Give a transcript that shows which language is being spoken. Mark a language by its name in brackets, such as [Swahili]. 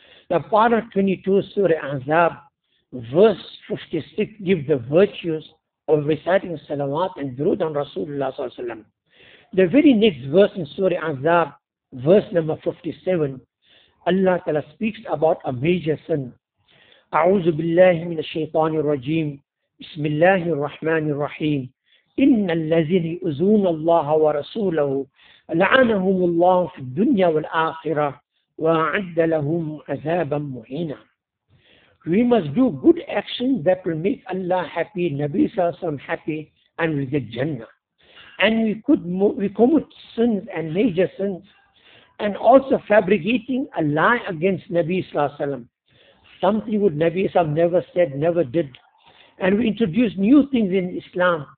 [English] The part of 22 Surah Ahzab, verse 56, give the virtues of reciting salawat and durood on Rasulullah sallallahu alayhi wa sallam. The very next verse in Surah Ahzab, verse number 57, Allah Ta'ala speaks about a major sin. [Arabic] أعوذ بالله من الشيطان الرجيم بسم الله الرحمن الرحيم إن الذين يؤذون الله ورسوله لعنهم الله في الدنيا والآخرة وأعد لهم عذابا مهينا. [English] We must do good actions that will make Allah happy, Nabi صلى الله عليه وسلم happy, and we get Jannah. And we commit sins and major sins, and also fabricating a lie against Nabi صلى الله عليه وسلم. Something would Nabi Islam never said, never did. And we introduce new things in Islam.